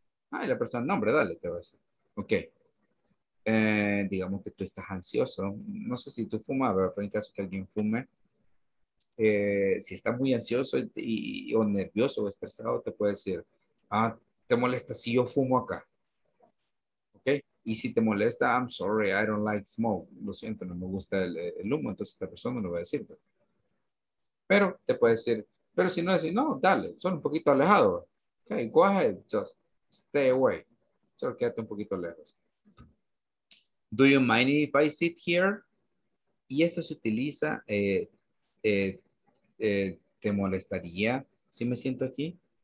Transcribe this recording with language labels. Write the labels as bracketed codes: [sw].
[es] Ah, y la persona, no, hombre, dale, te voy a decir. Ok. Digamos que tú estás ansioso. No sé si tú fumas, pero en caso que alguien fume, si estás muy ansioso o nervioso o estresado, te puede decir, ah, ¿te molesta si yo fumo acá? Y si te molesta, [en] I'm sorry, I don't like smoke. [es] Lo siento, no me gusta el humo. Entonces esta persona no lo va a decir. Pero te puede decir, pero si no, decir, no, dale, son un poquito alejado. [en] Ok, go ahead, just stay away. [es] Solo quédate un poquito lejos. [en] Do you mind if I sit here? [es] Y esto se utiliza, ¿te molestaría si me siento aquí?